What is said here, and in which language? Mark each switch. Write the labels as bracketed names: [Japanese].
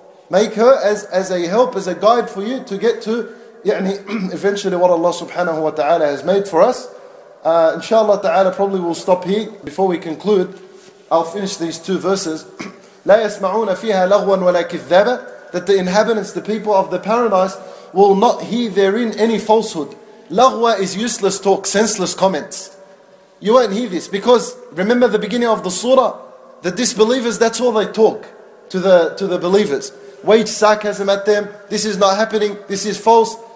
[English] Make her as a help, as a guide for you to get to eventually what Allah subhanahu wa ta'ala has made for us. Inshallah ta'ala, probably we'll stop here before we conclude. I'll finish these two verses. [Arabic] لا يسمعون فيها لغوا ولا كذابا. [English] That the inhabitants, the people of the paradise, will not hear therein any falsehood. Lagwa is useless talk, senseless comments. You won't hear this because remember the beginning of the surah, the disbelievers, that's all they talk to the believers. Wage sarcasm at them. This is not happening. This is false.